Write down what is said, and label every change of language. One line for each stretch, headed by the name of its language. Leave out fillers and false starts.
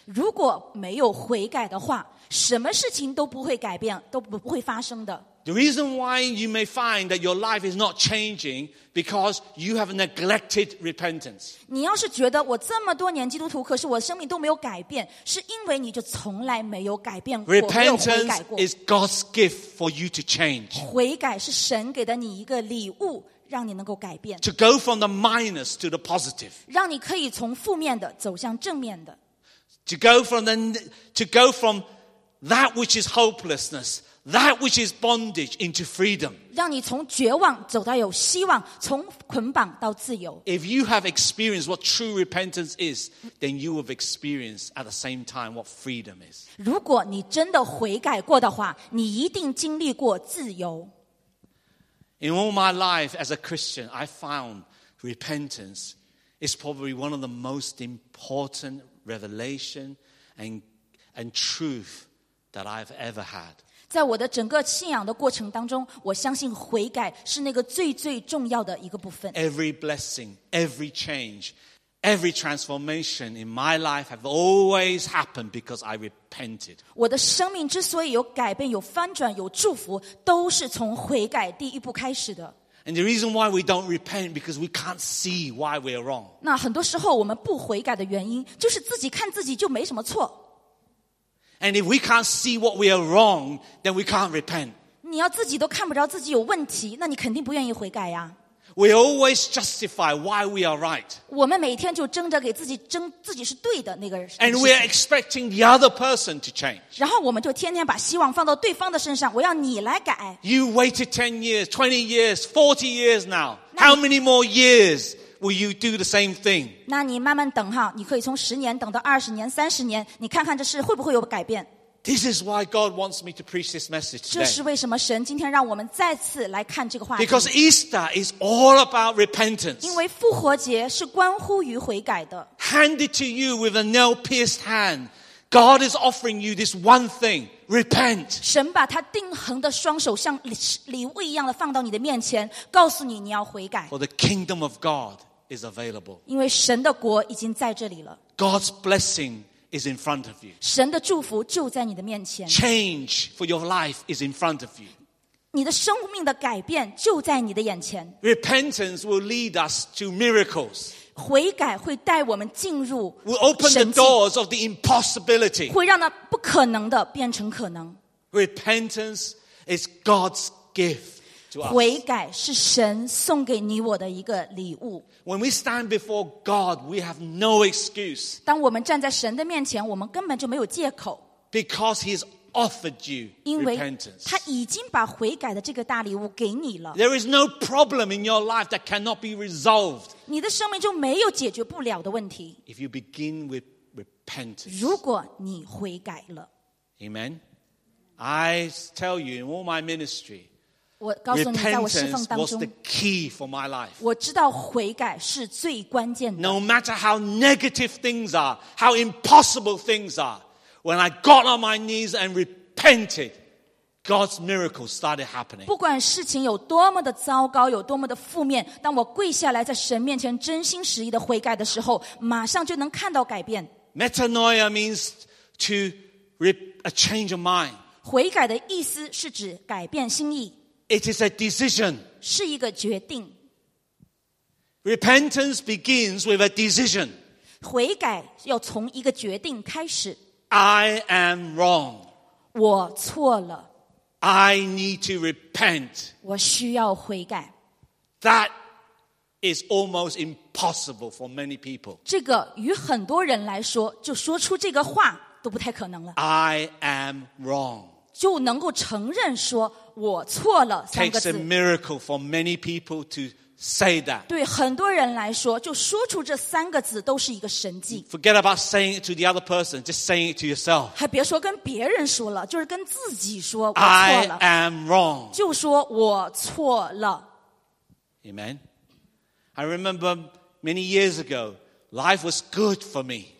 Chinese: 如果没有悔改的话什么事情都不会改变都不会发生的。
English: The reason why you may find that your life is not changing because you have neglected repentance.
Chinese: 你要是觉得我这么多年基督徒可是我生命都没有改变是因为你就从来没有改变过。
English: Repentance is God's gift for you to change.
Chinese: 悔改是神给的你一个礼物让你能够改变。
English: To go from the minus to the positive.
Chinese: 让你可以从负面的走向正面的。
English: To go from that which is hopelessness, that which is bondage into freedom.
Chinese: 让你从绝望走到有希望，从捆绑到自由。
English: If you have experienced what true repentance is, then you have experienced at the same time what freedom is.
Chinese: 如果你真的悔改过的话，你一定经历过自由。
English: In all my life as a Christian, I found repentance is probably one of the most important revelation and truth. That I've ever had.
Chinese: 在我的整个信仰的过程当中，我相信悔改是那个最最重要的一个部分。
English: Every blessing, every change, Every transformation in my life have always happened because I repented.
Chinese: 我的生命之所以有改变、有翻转、有祝福，都是从悔改第一步开始的。
English: And the reason why we don't repent because we can't see why we are wrong.
Chinese: 那很多时候我们不悔改的原因，就是自己看自己就没什么错。
English: And if we can't see what we are wrong, then we can't repent.
Chinese: 你要自己都看不着自己有问题，那你肯定不愿意悔改呀。
English: We always justify why we are right.
Chinese: 我们每天就争着给自己争自己是对的那个人。
English: And we are expecting the other person to change.
Chinese: 然后我们就天天把希望放到对方的身上，我要你来改。
English: You waited 10 years, 20 years, 40 years now. How many more years will you do the same thing?
Chinese: 那你慢慢等哈，你可以从10年等到20年、30年，你看看这事会不会有改变。
English: This is why God wants me to preach this message today.
Chinese: 这是为什么神今天让我们再次来看这个话题。
English: Because Easter is all about repentance.
Chinese: 因为复活节是关乎于悔改的。
English: Handed to you with a nail-pierced hand, God is offering you this one thing: repent.
Chinese: 神把他钉痕的双手像礼物一样的放到你的面前，告诉你你要悔改。
English: For the kingdom of God is available.
Chinese: 因为神的国已经在这里了。
English: God's blessing. Is in front of you.
Chinese: 神的祝福就在你的面前。
English: Change for your life is in front of you.
Chinese: 你的生命的改变就在你的眼前。
English: Repentance will lead us to miracles.
Chinese: 悔改会带我们进入神迹。
English: Will open the doors of the impossibility.
Chinese: 会让那不可能的变成可能。
English: Repentance is God's gift to us.
Chinese: 悔改是神送给你我的一个礼物。
English: When we stand before God, we have no excuse.
Chinese: 当我们站在神的面前，我们根本就没有借口。
English: Because He has offered you repentance.
Chinese: 因为他已经把悔改的这个大礼物给你了。
English: There is no problem in your life that cannot be resolved.
Chinese: 你的生命就没有解决不了的问题。
English: If you begin with repentance.
Chinese: 如果你悔改了。
English: Amen. I tell you in all my ministry.
Chinese: 我告诉你，在我侍奉当中
English: was the key for my life.
Chinese: 我知道悔改是最关键的。
English: No matter how negative things are, how impossible things are, when I got on my knees and repented, God's miracle started happening.
Chinese: 不管事情有多么的糟糕，有多么的负面，当我跪下来在神面前真心实意的悔改的时候，马上就能看到改变。
English: Metanoia means to a change of mind.
Chinese: 悔改的意思是指改变心意。
English: It is a decision.
Chinese: 是一个决定。
English: Repentance begins with a decision.
Chinese: 悔改要从一个决定开始。
English: I am wrong.
Chinese: 我错了。
English: I need to repent.
Chinese: 我需要悔改。
English: That is almost impossible for many people.
Chinese: 这个与很多人来说，就说出这个话都不太可能了。
English: I am wrong.
Chinese: 就能够承认说我错了三个字。
English: It takes a miracle for many people to say that.
Chinese: 对很多人来说，就说出这三个字都是一个神迹。
English: Forget about saying it to the other person, just saying it to yourself.
Chinese: 还别说跟别人说了，就是跟自己说我错
English: 了。I am wrong.
Chinese: 就说我错了。
English: Amen. I remember many years ago, life was good for me.